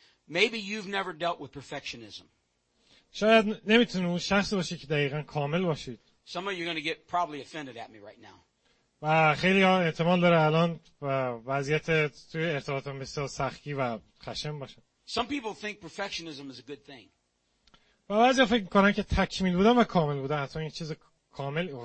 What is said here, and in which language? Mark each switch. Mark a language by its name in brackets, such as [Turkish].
[English] Maybe you've never dealt with perfectionism. [Persian] شاید نمیتونه اون شخص باشه که دقیقاً کامل باشید. [English] Some of you are going to get probably offended at me right now. [Persian] و خیلی ها احتمال داره الان وضعیت توی ارتباطم بسیار سختی و خشم باشه. [English] Some people think perfectionism is a good thing. [Persian] و بعضی ها فکر میکنن که تکمیل بودن و کامل بودن حتما یه چیز کامل و